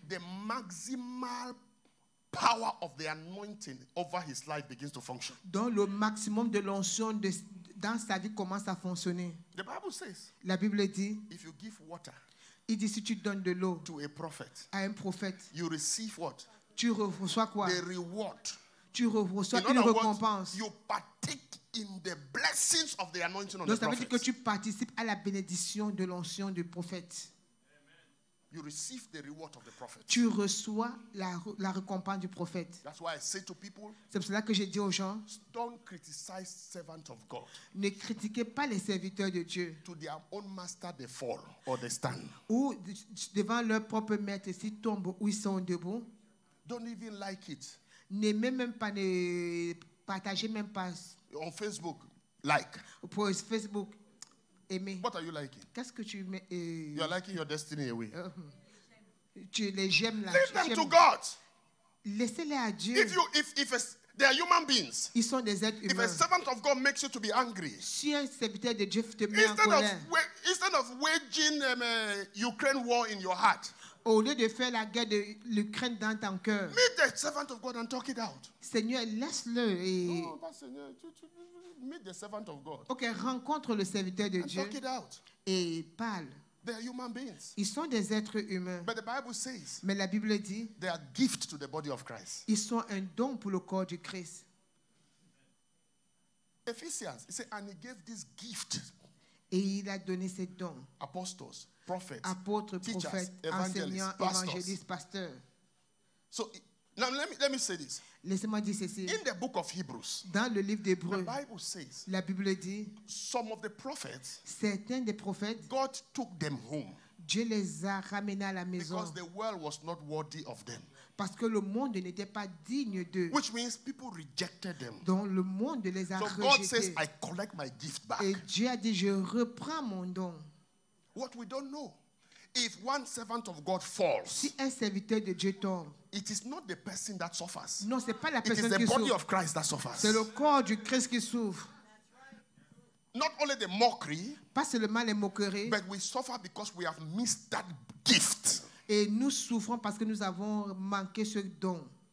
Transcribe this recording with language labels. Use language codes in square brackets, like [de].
[en] the maximal power of the anointing over his life begins to function. [fr] Donc le maximum de l'onction dans sa vie commence à fonctionner. [en] The Bible says, [fr] la Bible dit, [en] if you give water, [fr] il dit si tu donnes de l'eau [en] to a prophet, [fr] à un prophète, [en] you receive what? [fr] Tu reçois quoi? [en] The reward. [fr] Tu reçois une récompense. [en] You partake in the blessings of the anointing [fr] donc, [en] on the prophet. [fr] Ça veut dire que tu participes à la bénédiction de l'onction du prophète. [en] You receive the reward of the prophet. [fr] Tu reçois la récompense du prophète. [en] That's why I say to people, [fr] c'est pour cela que j'ai dit aux gens, [en] don't criticize servant of God. [fr] Ne critiquez pas les serviteurs de Dieu. [en] To their own master they fall or they stand. [fr] Ou devant leur propre maître s'ils tombent ou ils sont debout. [en] Don't even like it. [fr] N'aimez même pas, ne partagez même pas. [en] On Facebook, like. [fr] Pour Facebook, aimer. [en] What are you liking? [fr] Qu'est-ce que tu mets? [en] You are liking your destiny away. [fr] Tu les j'aime là. [en] Leave them to God. [fr] Laissez-les à Dieu. [en] If you, if they are human beings. [fr] Ils sont des êtres humains. [en] If a servant of God makes you to be angry. [fr] Si un serviteur de Dieu te met en colère. [en] Instead of waging a Ukraine war in your heart. [fr] Au lieu de faire la guerre de l'Ukraine dans ton cœur. [en] Meet the servant of God and talk it out. [fr] Seigneur, laisse-le. Non, et... oh, pas Seigneur. [en] Meet the servant of God. [fr] Ok, rencontre le serviteur de [en] and [fr] Dieu. [en] Talk it out. [fr] Et parle. [en] They are human beings. [fr] Ils sont des êtres humains. [en] But the Bible says. [fr] Mais la Bible dit. [en] They are gift to the body of Christ. [fr] Ils sont un don pour le corps du Christ. [en] Ephesians, it says, and he gave this gift. [fr] Et il a donné ce don. [en] Apostles. Prophets, [fr] apôtres, [en] teachers, [fr] prophètes, enseignants, évangélistes, pasteurs. [en] So now let me say this. [fr] Laissez-moi dire ceci. [en] In the book of Hebrews, [fr] dans le livre d'Hébreux, [en] the Bible says, [fr] la Bible dit, [en] some of the prophets, [fr] certains des prophètes, [en] God took them home. [fr] Dieu les a ramenés à la maison. [en] Because the world was not worthy of them. [fr] Parce que le monde n'était pas digne d'eux. [en] Which means people rejected them. [fr] Donc le monde les a [en] so [fr] rejetés. [en] God says, I collect my gift back. [fr] Et Dieu a dit, je reprends mon don. [en] What we don't know, if one servant of God falls, [fr] si un serviteur de Dieu tombe, [en] it is not the person that suffers. [fr] Non, c'est pas la personne qui souffre. [en] It is the body of Christ that suffers. [fr] C'est le corps du Christ qui souffre. [en] Not only the mockery, [fr] pas seulement les moqueries, [en] but we suffer because we have missed that gift. [fr] Et nous souffrons parce que nous avons manqué ce don.